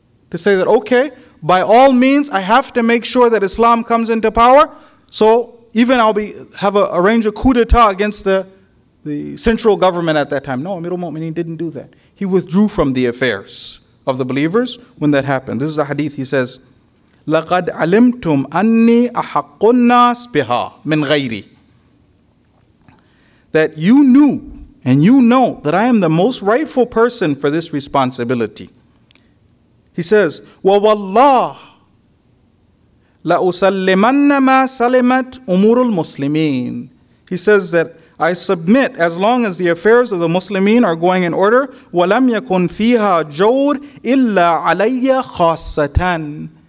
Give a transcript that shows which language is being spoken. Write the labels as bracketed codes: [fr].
[en] To say that, okay, by all means, I have to make sure that Islam comes into power. So even I'll arrange a coup d'etat against the central government at that time. No, Amirul Mu'mineen didn't do that. He withdrew from the affairs of the believers when that happened. This is a hadith. He says, [ar] لَقَدْ عَلِمْتُمْ أَنِّي أَحَقُّ النَّاسِ بِهَا مِنْ غَيْرِي. [en] That you knew and you know that I am the most rightful person for this responsibility. He says, [ar] "Wa wallah la usallimanna ma salimat umurul muslimin." [en] He says that I submit as long as the affairs of the muslimin are going in order, [ar] "Wa lam yakun fiha jawr illa alayya khassatan."